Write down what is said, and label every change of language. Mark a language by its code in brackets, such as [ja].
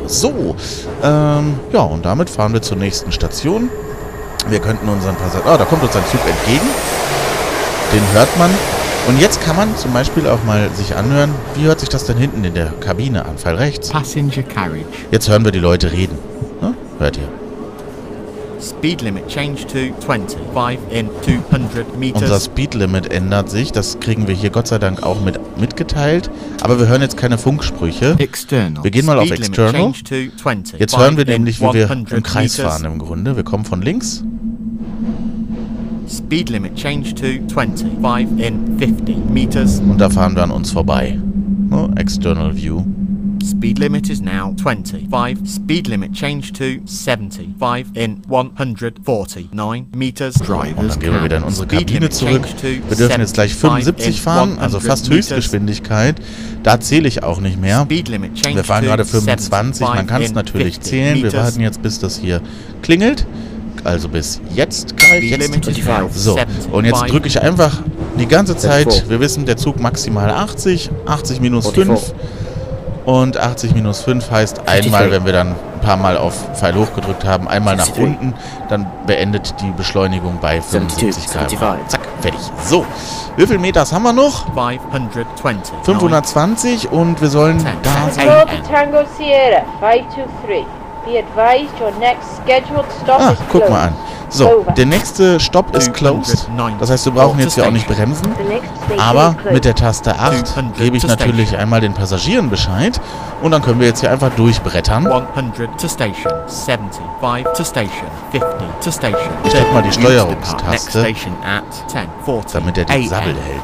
[de] So, ja, und damit fahren wir zur nächsten Station. Wir könnten unseren Passagier... Oh, da kommt uns ein Zug entgegen. Den hört man. Und jetzt kann man zum Beispiel auch mal sich anhören, wie hört sich das denn hinten in der Kabine an? Pfeil rechts. [en] Passenger carriage. [de] Jetzt hören wir die Leute reden. Ne? Hört ihr? [en] Speed limit change to 25 in 200 meters. [de] Unser Speed limit ändert sich. Das kriegen wir hier Gott sei Dank auch mitgeteilt. Aber wir hören jetzt keine Funksprüche. [en] External. [de] Wir gehen mal auf external. Jetzt hören wir nämlich, wie wir im Kreis fahren im Grunde. Wir kommen von links. [en] Speed limit change to 25 in 50 meters. [de] Und da fahren wir an uns vorbei. [en] Oh, external view. Speed limit is now 25. Speed limit change to 75 in 149 meters. Drivers. [de] Und dann gehen wir wieder in unsere Kabine zurück. Wir dürfen jetzt gleich 75 fahren, also fast Höchstgeschwindigkeit. Da zähle ich auch nicht mehr. Wir fahren gerade 25, man kann es natürlich zählen. Wir warten jetzt, bis das hier klingelt. Also bis jetzt gleich. So, und jetzt drücke ich einfach die ganze Zeit. Wir wissen, der Zug maximal 80. 80 minus 5. Und 80 minus 5 heißt einmal, wenn wir dann ein paar Mal auf Pfeil hoch gedrückt haben, einmal nach unten, dann beendet die Beschleunigung bei 75 km/h. Zack, fertig. So, wie viel Meters haben wir noch? 520 und wir sollen da sein. [en] Tango Sierra, 523. Be advised, your next scheduled stop is closed. [de] Guck mal an. So, der nächste Stop ist closed. Das heißt, wir brauchen jetzt hier auch nicht bremsen. Aber mit der Taste 8 gebe ich natürlich einmal den Passagieren Bescheid. Und dann können wir jetzt hier einfach durchbrettern. [en] 100 to station, 75 to station, 50 to station. [de] Ich drücke mal die Steuerungstaste, damit er den Sabbel hält.